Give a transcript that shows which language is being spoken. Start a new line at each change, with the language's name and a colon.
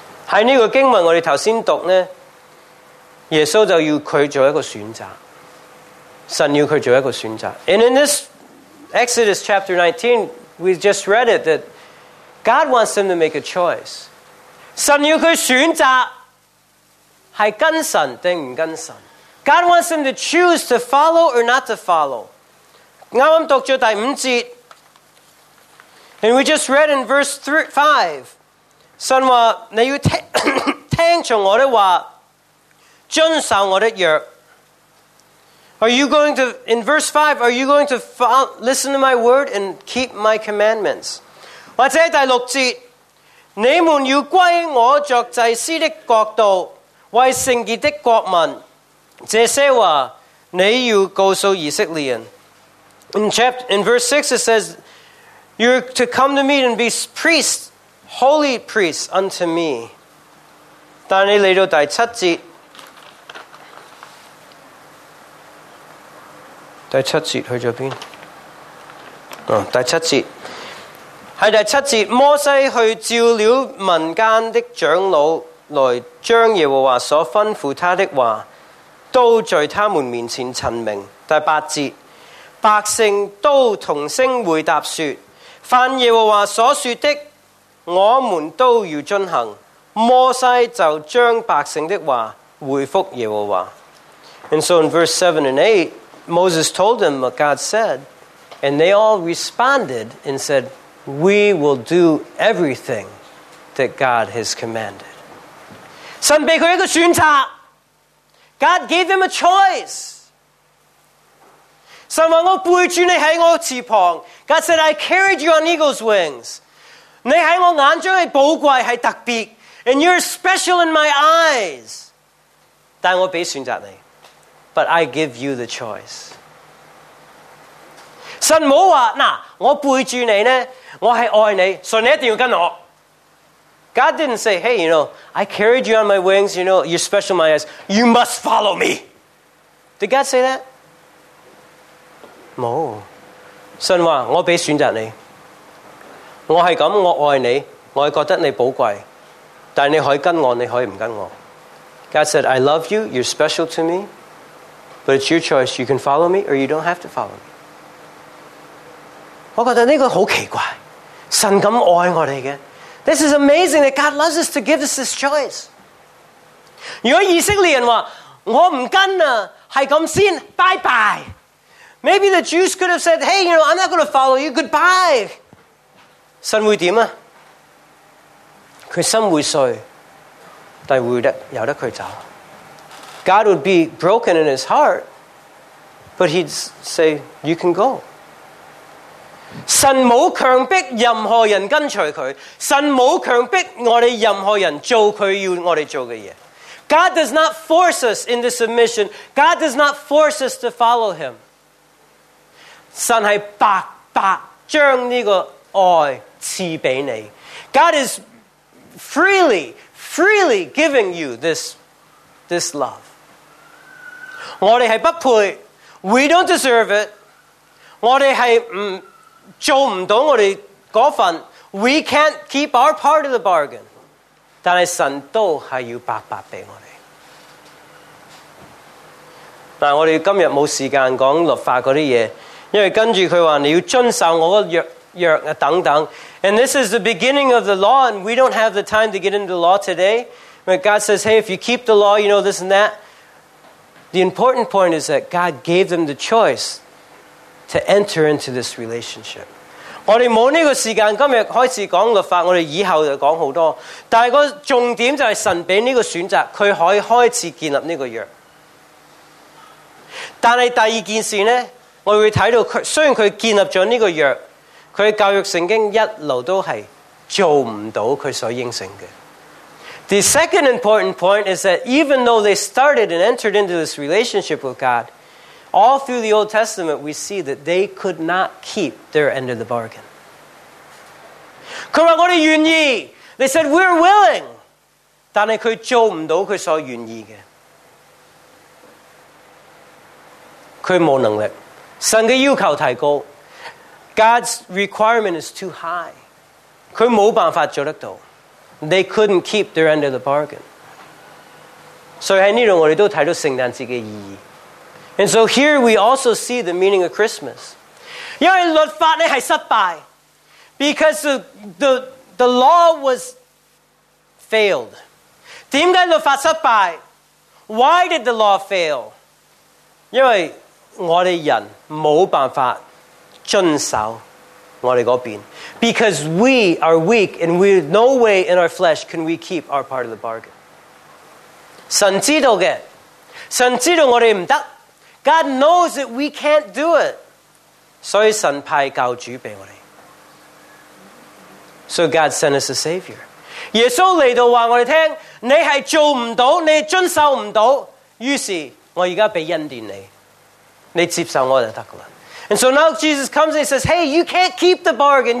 Chinese: 在这个经文我们刚才读呢，耶稣就要他做一个选择。神要他做一个选择。
English: And in this Exodus chapter 19, we just read it, that God wants him to make a choice.
Chinese: 神要他选择是跟神定不跟神。
English: God wants him to choose to follow or not to follow.
Chinese: 刚刚读了第五节，
English: and we just read in verse 5,
Chinese: 神说你要听从我的话，遵守我的约。
English: In verse 5, are you going to listen to my word and keep my commandments?
Chinese: 或者第六节，你们要归我作祭司的国度，为圣洁的国民。这些话你要告诉以色列人。
English: In verse 6 it says, you're to come to me and be priests, holy priests unto me.
Chinese: 但你来到第七节，第七节去了哪？第七节，在第七节，摩西去召了民间的长老来，将耶和华所吩咐他的话都在他们面前陈明。第八节，百姓都同声回答说，凡耶和华所说的我们都要遵行。摩西就将百姓的话回复耶和华。
English: And so in verse 7 and 8 Moses told them what God said, and they all responded and said, we will do everything that God has commanded.
Chinese: 神给他一个选择。
English: God gave him a choice.
Chinese: 神说我背着你在我翅膀。
English: God said, I carried you on eagle's wings.
Chinese: 你在我眼中是宝贵，是特别。
English: And you're special in my eyes.
Chinese: 但我给选择你。
English: But I give you the choice.
Chinese: 神没说，那我背着你呢，我是爱你，所以你一定要跟我。
English: God didn't say, hey, you know, I carried you on my wings, you know, you're special in my eyes, you must follow me. Did God say that? No.
Chinese: 神说，我给选择你。我是这样，我爱你，我觉得你宝贵，但你可以跟我，你可以不跟我。
English: God said, I love you, you're special to me, but it's your choice, you can follow me or you don't have to follow me.
Chinese: 我觉得这个很奇怪，神这么爱我们的。
English: This is amazing that God loves us to give us this choice.
Chinese: 如果以色列人说我不跟了，是这样先，拜拜。
English: Maybe the Jews could have said, hey, you know, I'm not going to follow you, goodbye.
Chinese: 神会怎样？他心会碎，但会由得他走。
English: God would be broken in his heart, but he'd say, you can go.
Chinese: 神没有强迫任何人跟随他，神没有强迫我们任何人做他要我们做的事。
English: God does not force us into submission. God does not force us to follow him.
Chinese: 神是白白将这个爱赐给你。
English: God is freely, freely giving you this love.
Chinese: 我们是不配，
English: we don't deserve it.
Chinese: 我们是做不到我们那份，
English: we can't keep our part of the bargain.
Chinese: 但是神都是要白白给我们。但我们今天没时间讲律法那些事，因为跟着他说你要遵守我的 约等等。
English: And this is the beginning of the law, and we don't have the time to get into the law today. But God says, hey, if you keep the law, you know this and that. The important point is that God gave them the choice to enter into this relationship.
Chinese: 我们没这个时间今天开始讲律法，我们以后就讲很多，但个重点就是神给这个选择，他可以开始建立这个约。但是第二件事呢，我会看到虽然他建立了这个约，他教育圣经一直都是做不到他所应承的。
English: The second important point is that even though they started and entered into this relationship with God, all through the Old Testament we see that they could not keep their end of the bargain.
Chinese: 他说我们愿意，
English: They said we're willing，
Chinese: 但是他做不到他所愿意的。他没有能力，神的要求太高，
English: God's requirement is too high，
Chinese: 他没有办法做得到。
English: They couldn't keep their end of the bargain。
Chinese: 所以在这里我们都看到圣诞节的意义。
English: And so here we also see the meaning of Christmas。
Chinese: 因为律法是失败，
English: Because the law was failed。
Chinese: 为什么律法失败？
English: Why did the law fail？
Chinese: 因为我们人没有办法遵守我们那边。
English: Because we are weak, and we have no way in our flesh can we keep our part of the bargain.
Chinese: 神知道的，神知道我们不得。
English: God knows that we can't do it.
Chinese: 所以神派教主给我们。
English: So God sent us a Savior.
Chinese: 耶稣来到告诉我们，你是做不到，你是遵守不到，于是我现在给恩典你，你接受我就可以了。
English: And so now Jesus comes and he says, hey, you can't keep the bargain.